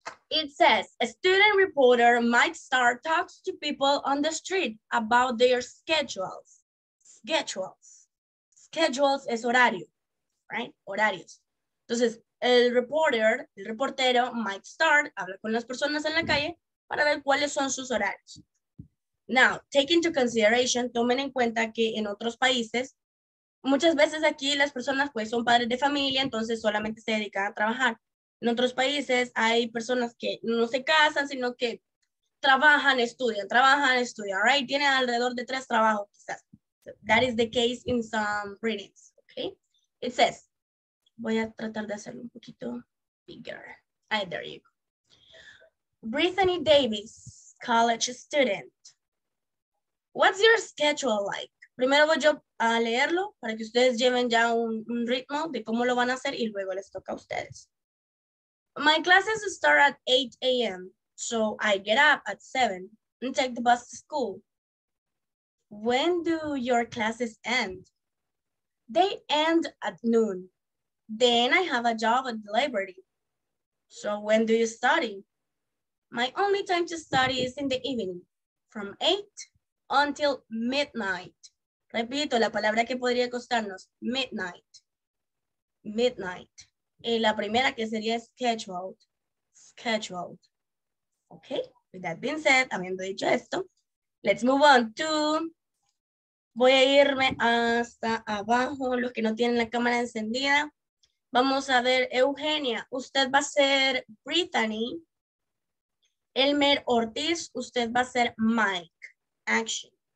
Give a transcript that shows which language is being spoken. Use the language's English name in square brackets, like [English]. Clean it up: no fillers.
[English] It says, a student reporter might start talks to people on the street about their schedules. [Spanish] Schedules. Schedules es horario, right? Horarios. Entonces, el reportero, [English] might start, [Spanish] habla con las personas en la calle para ver cuáles son sus horarios. [English] Now, take into consideration, [Spanish] tomen en cuenta que en otros países, muchas veces aquí las personas pues son padres de familia, entonces solamente se dedican a trabajar. En otros países hay personas que no se casan, sino que trabajan, estudian, right? Tienen alrededor de 3 trabajos quizás. [English] That is the case in some readings, okay? It says, [Spanish] voy a tratar de hacerlo un poquito bigger. [English] Ah, there you go. Brittany Davis, college student. What's your schedule like? [Spanish] Primero voy yo a leerlo para que ustedes lleven ya un ritmo de cómo lo van a hacer y luego les toca a ustedes. [English] My classes start at 8 a.m. So I get up at 7 and take the bus to school. When do your classes end? They end at noon. Then I have a job at the library. So when do you study? My only time to study is in the evening, from 8 until midnight. [Spanish] Repito, la palabra que podría costarnos, midnight. Midnight. Y la primera que sería scheduled. Scheduled. [English] Okay, with that being said, [Spanish] habiendo dicho esto, [English] let's move on to... [Spanish] Voy a irme hasta abajo, los que no tienen la cámara encendida. Vamos a ver, Eugenia, usted va a ser Brittany. Elmer Ortiz, usted va a ser Mike. Action.